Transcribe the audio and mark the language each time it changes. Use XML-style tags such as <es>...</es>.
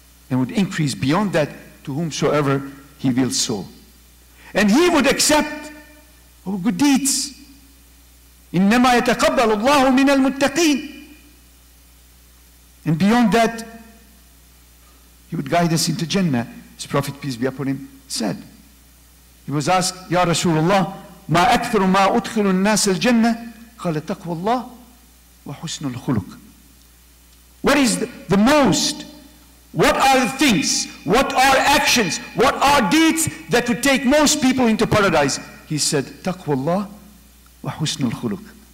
<en>And would increase beyond that to whomsoever he will so. And he would accept our good deeds.</en> <ar>إِنَّمَا يَتَقَبَّلُ اللَّهُ مِنَ الْمُتَّقِينَ.</ar> <en>And beyond that, he would guide us into Jannah, as Prophet, peace be upon him, said. He was asked,</en> <ar>Ya Rasulullah, مَا أَكْثَرُ مَا أُدْخِلُ النَّاسَ الْجَنَّةِ قَالَ تَقْوَى اللَّهِ وَحُسْنُ الْخُلُقِ.</ar> <en>What is the most? What are the things? What are actions? What are deeds that would take most people into paradise? He said,</en> <ar>تَقْوَى اللَّهِ وَحُسْنُ الْخُلُقِ.</ar>